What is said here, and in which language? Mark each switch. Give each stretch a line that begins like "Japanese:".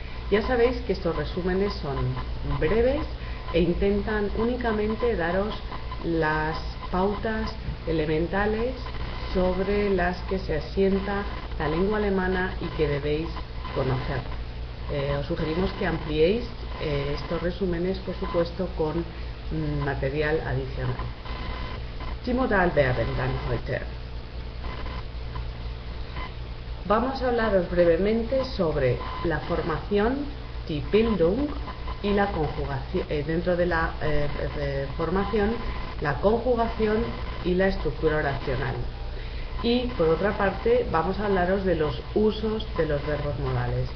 Spanish: Ya sabéis que estos resúmenes son breves e intentan únicamente daros las pautas elementales sobre las que se asienta la lengua alemana y que debéis conocer. Os sugerimos que ampliéis estos resúmenes, por supuesto, con material adicional.
German: Die Modalverben dann heute.
Spanish: Vamos a hablaros brevemente sobre la formación,
German: die Bildung,
Spanish: y la conjugación, dentro de la formación, la conjugación y la estructura oracional. Y, por otra parte, vamos a hablaros de los usos de los verbos modales.